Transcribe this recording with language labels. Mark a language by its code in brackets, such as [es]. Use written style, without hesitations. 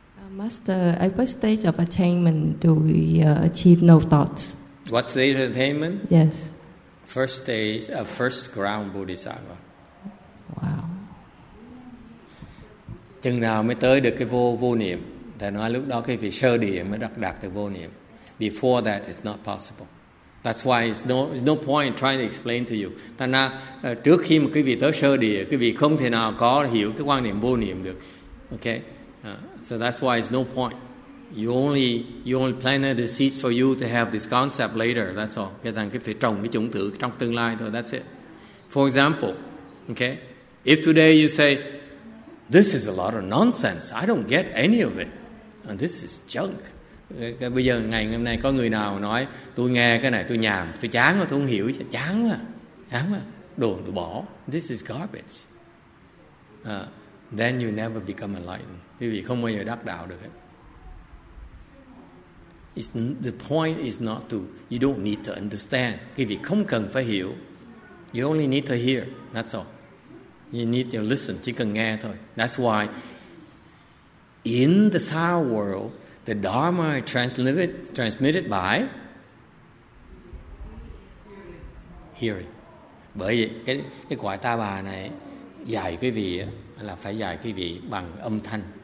[en] Master, at what stage of attainment do we achieve no thoughts? What stage of attainment? Yes. First stage, first ground Bodhisattva. Wow. [vi] Chừng nào mới tới được cái vô niệm? Thầy nói lúc đó cái vị sơ địa mới đạt được vô niệm. [en] Before that, it's not possible. That's why it's no point trying to explain to you. [vi] Thành ra trước khi mà quý vị tới sơ địa, quý vị không thể nào có hiểu cái quan niệm vô niệm được. [en] Okay? So that's why it's no point. You only planted the seeds for you to have this concept later. That's all. [vi] Cái thằng cái phải trồng cái chủng tử trong tương lai thôi. [en] That's it. For example, okay? If today you say, this is a lot of nonsense. I don't get any of it. And this is junk. [vi] Bây giờ ngày hôm nay có người nào nói tôi nghe cái này tôi nhàm, tôi chán quá, tôi không hiểu, chán quá, đồ tôi bỏ, [en] this is garbage, then you never become enlightened. [vi] Quý vị không bao giờ đắc đạo được hết. [en] The point is not to, you don't need to understand. [vi] Quý vị không cần phải hiểu, [en] you only need to hear, that's all. You need to listen, [vi] chỉ cần nghe thôi. [en] That's why in the sour world, the Dharma transmitted by hearing. [vi] Bởi vì cái quả ta bà này dạy quý vị là phải dạy quý vị bằng âm thanh.